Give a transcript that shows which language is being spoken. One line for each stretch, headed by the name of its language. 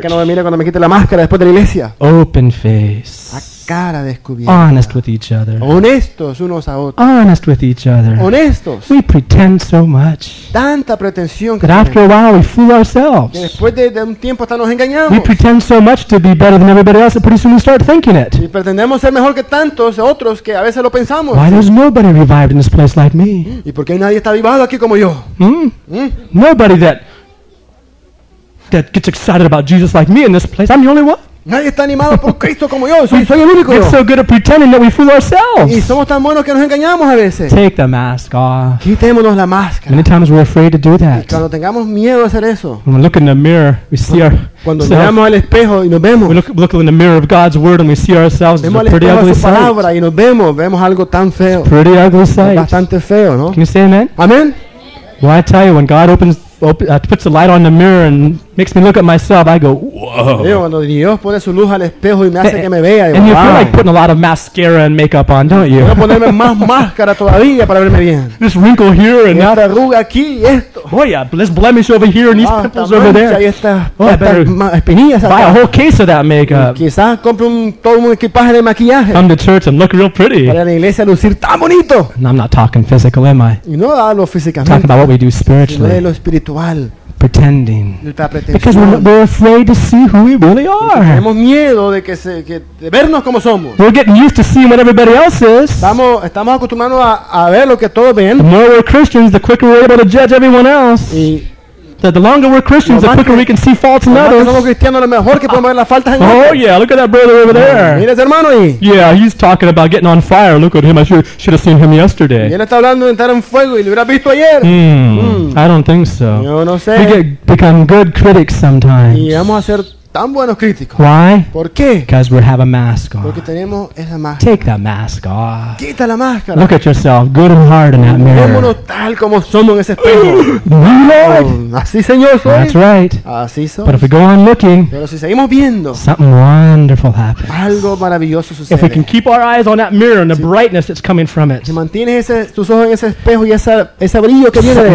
Spanish: Que no me mire cuando me quite la máscara después de la iglesia.
English: Open face.
Spanish: Cara descubierta.
English: Honest with each other.
Spanish: Honestos unos a otros.
English: Honest with each other.
Spanish: Honestos.
English: We pretend so much.
Spanish: Tanta pretensión que
English: after a while we fool ourselves.
Spanish: Que después de un tiempo hasta nos engañamos.
English: We pretend so much to be better than everybody else, and pretty soon we start thinking it.
Spanish: Y pretendemos ser mejor que tantos otros que a veces lo pensamos.
English: Why there's nobody revived in this place like me?
Spanish: ¿Y por qué nadie está avivado aquí como yo?
English: Nobody that gets excited about Jesus like me in this place. I'm the only one.
Spanish: Nadie está animado por Cristo como yo. Soy el único.
English: We're so good at pretending that we fool ourselves.
Spanish: Y somos tan buenos que nos engañamos a veces.
English: Take the mask off.
Spanish: Quitémonos la máscara.
English: Many times we're afraid to do that.
Spanish: Y cuando tengamos miedo a hacer eso.
English: When we look in the mirror, we see ourselves.
Spanish: Cuando miramos al espejo y nos vemos.
English: We look in the mirror of God's word and we see ourselves
Spanish: vemos
English: as a pretty ugly sight.
Spanish: Vemos la palabra y nos vemos algo tan feo.
English: It's pretty ugly sight.
Spanish: Bastante feo, ¿no?
English: Can you say amen? Amen. Well, I tell you, when God puts a light on the mirror and makes me look at myself, I go, whoa. And you feel like putting a lot of mascara and makeup on, don't you? This wrinkle here and
Spanish: esta arruga aquí, esto.
English: Boy, yeah, this blemish over here and these pimples over there. I better buy a whole case of that makeup. Come to church and look real pretty. And I'm not talking physical, am I? I'm talking about what we do spiritually. Pretending. Because we're afraid to see who we really are.
Spanish: Tenemos miedo de que vernos como somos.
English: We're getting used to seeing what everybody else is.
Spanish: Estamos acostumbrados a ver lo que todos ven.
English: The more we're Christians, the quicker we're able to judge everyone else. The longer we're Christians, the quicker we can see faults in others.
Spanish: Somos cristianos, lo mejor que podemos ver las faltas en otros.
English: Oh yeah, look at that brother over there.
Spanish: Mira ese hermano ahí.
English: Yeah, he's talking about getting on fire. Look at him. I should have seen him yesterday.
Spanish: Y él está hablando de entrar en fuego y lo hubiera visto ayer.
English: I don't think so.
Spanish: Yo no sé.
English: We become good critics sometimes.
Spanish: Y vamos a ser tan buenos críticos.
English: Why?
Spanish: ¿Por qué?
English: Because we have a mask on.
Spanish: Porque tenemos esa máscara.
English: Take that mask off.
Spanish: Quita la máscara.
English: Look at yourself, good and hard in that mirror.
Spanish: Vémonos tal como somos en ese espejo. Así, Señor, soy.
English: That's right.
Spanish: Así somos.
English: But if we go on looking,
Spanish: pero si seguimos viendo,
English: something wonderful happens.
Spanish: Algo maravilloso sucede.
English: If we can keep our eyes on that mirror and the brightness that's coming from it,
Spanish: si mantienes tus ojos en ese espejo y ese brillo que viene de él,